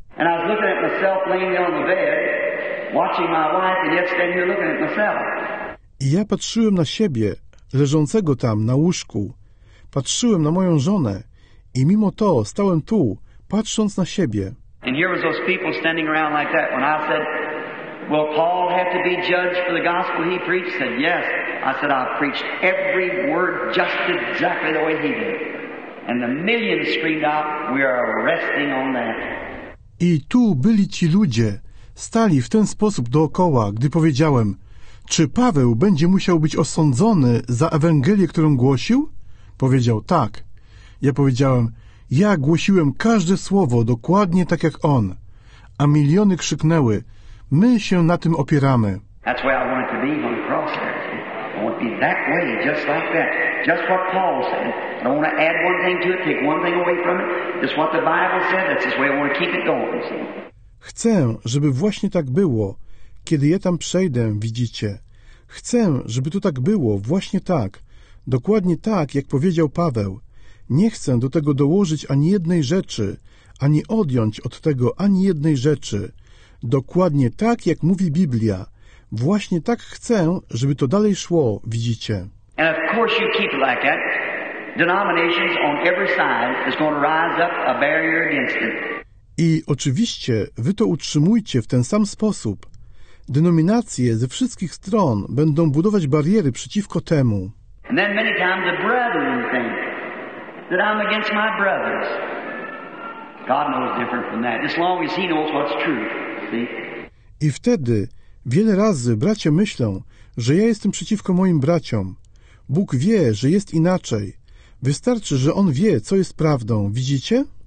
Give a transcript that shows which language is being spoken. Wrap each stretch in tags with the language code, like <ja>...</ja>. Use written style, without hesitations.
<en>And I was looking at myself laying on the bed, watching my wife, and yet standing here looking at myself.</en> <pl>I ja patrzyłem na siebie, leżącego tam na łóżku. Patrzyłem na moją żonę i mimo to stałem tu, patrząc na siebie.</pl> <en>And here was those people standing around like that when I said, will Paul have to be judged for the gospel he preached? Said, yes. I said, I've preached every word just exactly the way he did. And the millions screamed out, we are resting on that.</en> <pl>I tu byli ci ludzie, stali w ten sposób dookoła, gdy powiedziałem, czy Paweł będzie musiał być osądzony za Ewangelię, którą głosił? Powiedział, tak. Ja powiedziałem, ja głosiłem każde słowo dokładnie tak jak on. A miliony krzyknęły, my się na tym opieramy.</pl> <en>That's why I wanted to be on the cross. I want to be that way, just like that. Just what Paul said. I don't want to add one thing to it, take one thing away from it. Just what the Bible said, that's just the way I want to keep it going.</en> <pl>Chcę, żeby właśnie tak było, kiedy ja tam przejdę, widzicie. Chcę, żeby to tak było, właśnie tak. Dokładnie tak, jak powiedział Paweł. Nie chcę do tego dołożyć ani jednej rzeczy, ani odjąć od tego ani jednej rzeczy. Dokładnie tak, jak mówi Biblia. Właśnie tak chcę, żeby to dalej szło, widzicie.</pl> <en>And of course you keep it like that. Denominations on every side is going to rise up a barrier against it.</en> <pl>I oczywiście wy to utrzymujcie w ten sam sposób. Denominacje ze wszystkich stron będą budować bariery przeciwko temu.</pl> <en>And then many times the brethren think that I'm against my brothers. God knows different from that. As long as he knows what's true. See?</en> <pl>I wtedy wiele razy bracia myślą, że ja jestem przeciwko moim braciom. Bóg wie, że jest inaczej. Wystarczy, że On wie, co jest prawdą. Widzicie?</pl>